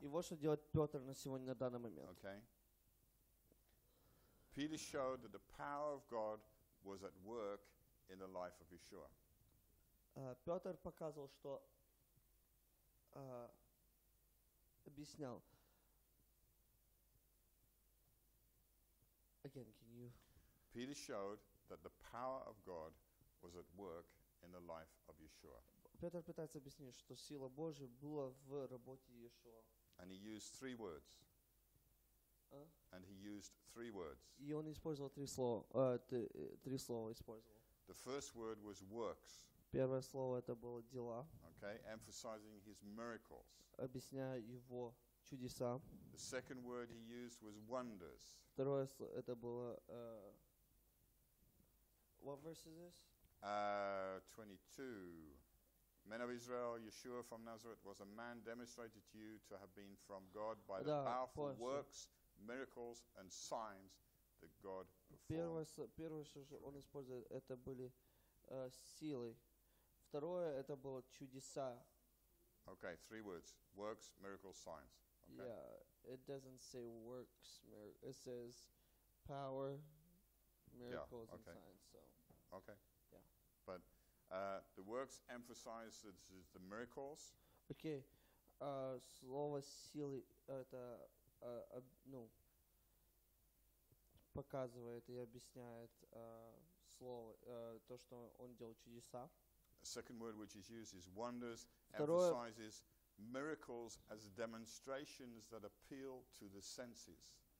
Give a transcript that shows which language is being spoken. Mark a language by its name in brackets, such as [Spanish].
[Russian] И вот что делает Петр на сегодня, на данный момент. [English] Okay. Peter showed that the power of God was at work in the life of Yeshua. [Russian] Петр показывал, что объяснял, [English] Again, can you? Peter showed that the power of God was at work in the life of Yeshua. [Russian] Петр пытается объяснить, что сила Божья была в работе Иешуа. [English] And he used three words. And he used three words. [Russian] И он использовал три слова использовал. [English] The first word was works. [Russian] Первое слово это было дела. [English] Okay, emphasizing his miracles. [Russian] Объясняя его чудеса. [English] The second word he used was wonders. [Russian] Второе слово это было [English] what verse is this? 22. Men of Israel, Yeshua from Nazareth was a man demonstrated to you to have been from God by the powerful works, miracles, and signs that God performed. [Russian] Первое, что он использует, это были силы. Второе, это было чудеса. [English] Okay, three words. Works, miracles, signs. Okay. Yeah, it doesn't say works, it says power, miracles, and signs. So. Okay. But the works emphasize the miracles. Okay. [Russian] Слово силы это показывает и объясняет слово то, что он делал чудеса. [English] The second word which is used is wonders, emphasizes miracles as demonstrations that appeal to the senses.